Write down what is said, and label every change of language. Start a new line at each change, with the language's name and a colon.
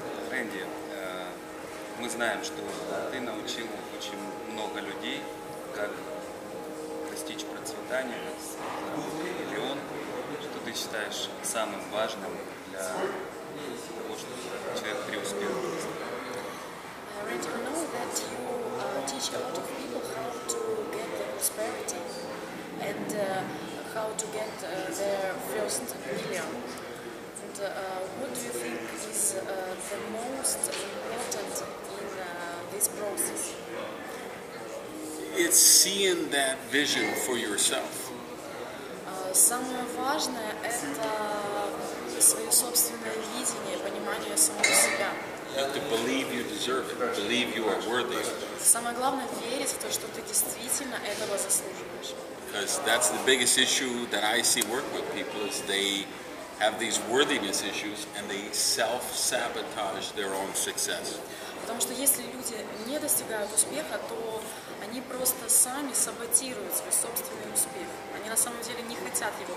Russian: Рэнди, мы знаем, что ты научил очень много людей, как достичь процветания, как заработать миллион. Что ты считаешь самым важным для того, чтобы человек преуспел?
English: Teach a lot of people how to get their prosperity and how to get their first million. And what do you think is the most important in this process? It's seeing that vision for yourself.
Russian: Самое важное – это свое собственное видение, понимание самого себя.
English: You have to believe you deserve it, believe you are worthy of it.
Russian: Самое главное – верить в то, что ты действительно этого заслуживаешь.
English: Because that's the biggest issue that I see work with people, is they have these worthiness issues and they self-sabotage their own success.
Russian: Потому что если люди не достигают успеха, то они просто сами саботируют свой собственный успех. Они на самом деле не хотят его